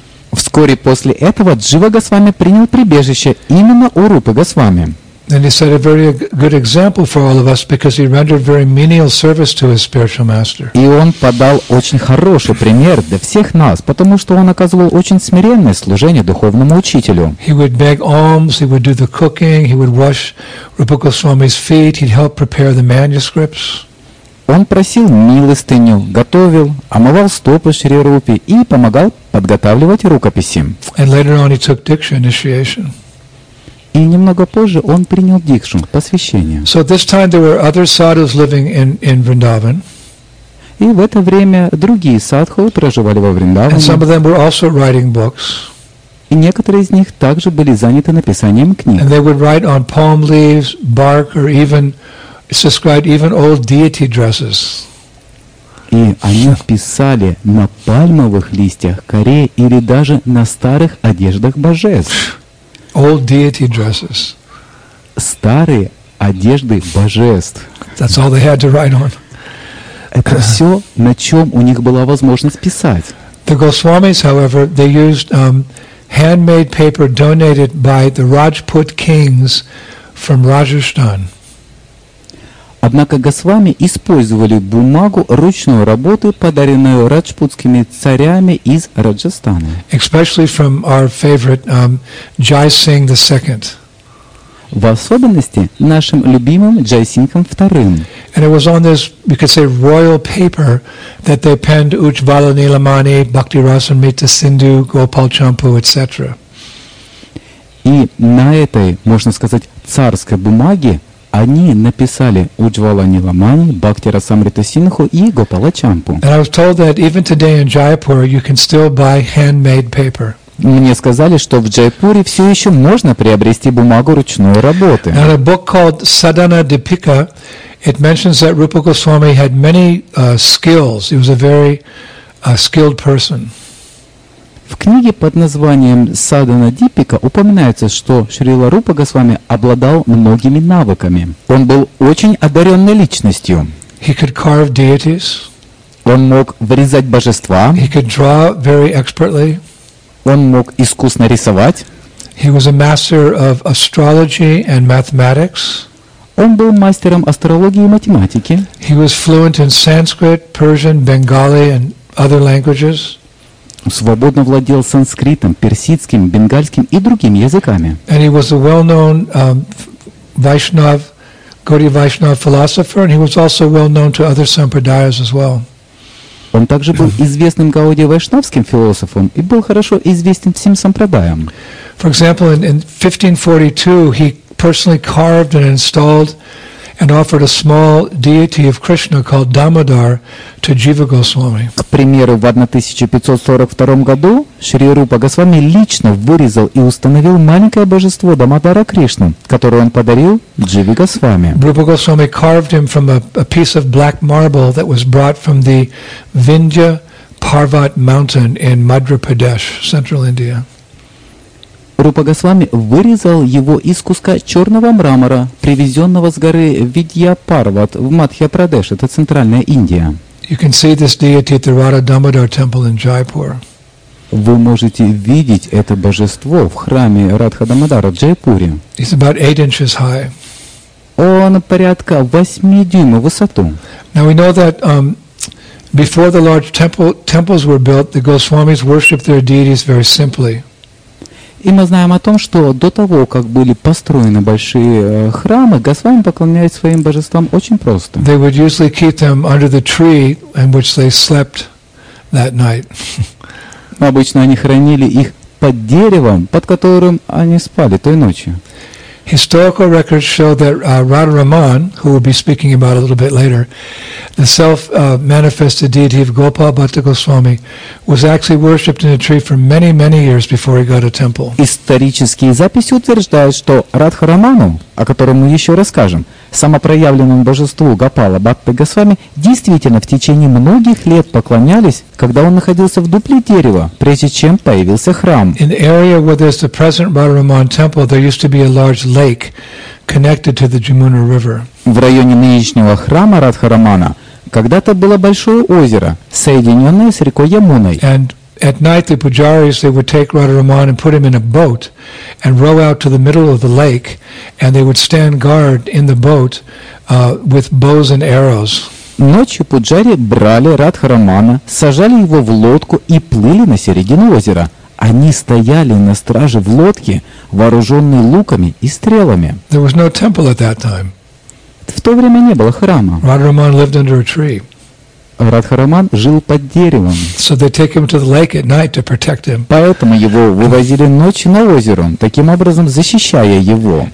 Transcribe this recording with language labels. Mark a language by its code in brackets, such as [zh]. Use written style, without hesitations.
[ru] Вскоре после этого Джива Госвами принял прибежище именно у Рупы Госвами. [en] And he set a very good example for all of us because he rendered very menial service to his spiritual master. [ru] И он подал очень хороший пример для всех нас, потому что он оказывал очень смиренное служение духовному учителю. [en] He would beg alms, he would do the cooking, he would wash Rupa Goswami's feet, he'd help prepare the manuscripts. [ru] Он просил милостыню, готовил, омывал стопы Шри Рупи и помогал подготавливать рукописи. [en] And later on he took Diksha initiation. [ru] И немного позже он принял дикшу, посвящение. [en] So this time there were other sadhus living in Vrindavan. [ru] И в это время другие садху проживали во Вриндаване. [en] And some of them were also writing books. [ru] И некоторые из них также были заняты написанием книг. [en] And they would write on palm leaves, bark, or even subscribe even old deity dresses. [ru] И они писали на пальмовых листьях, коре или даже на старых одеждах божеств. [en] Old deity dresses. [ru] Старые одежды божеств. [en] That's all they had to write on. [ru] Это все, на чем у них была возможность писать. [en] The Goswamis, however, they used handmade paper donated by the Rajput kings from Rajasthan. [ru] Однако Госвами использовали бумагу ручной работы, подаренную раджпутскими царями из Раджастана. [en] Especially from our favorite Jai Singh II. [ru] В особенности нашим любимым Джай Сингхом II. [en] And it was on this, you could say, royal paper that they penned Ujjvala Nilamani, Bhakti Rasamrita Sindhu, Gopal Champu, etc. [ru] И на этой, можно сказать, царской бумаге они написали Ujjvala Nilamani, Bhakti Rasamrita Sindhu и Gopala Champu. [en] And I was told that even today in Jaipur you can still buy handmade paper. [ru] Мне сказали, что в Джайпуре все еще можно приобрести бумагу ручной работы. [en] And a book called Sadhana Dipika, it mentions that Rupa Goswami had many skills. He was a very skilled person. [ru] В книге под названием «Садхана Дипика» упоминается, что Шрила Рупа Госвами обладал многими навыками. Он был очень одаренной личностью. [en] He could carve deities. [ru] Он мог вырезать божества. [en] He could draw very expertly. [ru] Он мог искусно рисовать. [en] He was a master of astrology and mathematics. [ru] Он был мастером астрологии и математики. [en] He was fluent in Sanskrit, Persian, Bengali, and other languages. [ru] Свободно владел санскритом, персидским, бенгальским и другими языками. [en] And he was a well-known Vaishnav, Gaudiya Vaishnav philosopher, and he was also well-known to other sampradayas as well. [ru] Он также был известным Гаудия Вайшнавским философом и был хорошо известен всем сампрадаям. [en] For example, in 1542 he personally carved and installed and offered a small deity of Krishna called Damodar to Jiva Goswami. [ru] К примеру, в 1542 году Шри Рупа Госвами лично вырезал и установил маленькое божество Дамодара Кришны, которое он подарил Дживе Госвами. [en] Rupa Goswami carved him from a piece of black marble that was brought from the Vindhya Parvat mountain in Madhya Pradesh, central India. [ru] Рупа Госвами вырезал его из куска черного мрамора, привезенного с горы Видья Парват в Мадхья Прадеш, это центральная Индия. [en] You can see this deity at the Radha Damodar temple in Jaipur. [ru] Вы можете видеть это божество в храме Радха Дамодара в Джайпуре. [en] It's about 8 inches high. [ru] Он порядка 8 дюймов в высоту. [en] Now we know that before the large temples were built, the Goswamis worshipped their deities very simply. [ru] И мы знаем о том, что до того, как были построены большие храмы, Госвами поклонялись своим божествам очень просто. [en] They would usually keep them under the tree in which they slept that night. [ru] Обычно они хранили их под деревом, под которым они спали той ночью. [en] Historical records show that Radharaman, who we'll be speaking about a little bit later, the self-manifested deity of Gopal Bhatta Goswami, was actually worshipped in a tree for many, many years before he got a temple. [ru] Исторические записи утверждают, что Радхараману, о котором мы еще расскажем, самопроявленному божеству Гопала Бхатты Госвами, действительно в течение многих лет поклонялись, когда он находился в дупле дерева, прежде чем появился храм. [en] In the area where there's the present Radharaman temple, there used to be a large lake connected to the Jamuna River. [ru] В районе нынешнего храма Радхарамана когда-то было большое озеро, соединенное с рекой Ямуной. [en] And at night the pujaris, they would take Radharaman and put him in a boat and row out to the middle of the lake, and they would stand guard in the boat with bows and arrows. [ru] Ночью пуджари брали Радхарамана, сажали его в лодку и плыли на середину озера. Они стояли на страже в лодке, вооруженные луками и стрелами. [en] There was no temple at that time. [ru] В то время не было храма. [en] Radharaman lived under a tree. [ru] Радхараман жил под деревом. [en] So they take him to the lake at night to protect him. [ru] Поэтому его вывозили ночью на озеро, таким образом защищая его.